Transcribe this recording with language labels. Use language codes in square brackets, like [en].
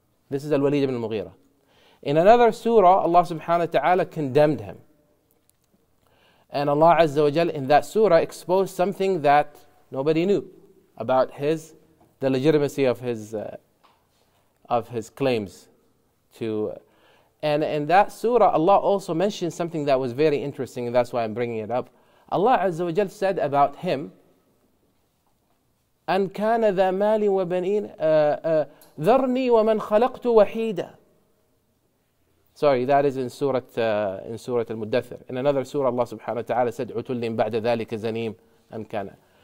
[en] This is Al-Walid ibn al-Mughira. In another surah, Allah subhanahu wa ta'ala condemned him, and Allah azza wa jal in that surah exposed something that nobody knew about the legitimacy of his claims to. And in that surah, Allah also mentioned something that was very interesting, and that's why I'm bringing it up. Allah Azza wa Jal said about him, [ar] أَنْ كَانَ ذَا مَالٍ وَبَنِينَ ذَرْنِي وَمَنْ خَلَقْتُ وَحِيدًا. [en] Sorry, that is in Surah Al-Mudathir. In another surah, Allah subhanahu wa ta'ala said, [ar] عُتُلِّن بَعْدَ ذَلِكَ زَنِيمٌ أَنْ كَانَ.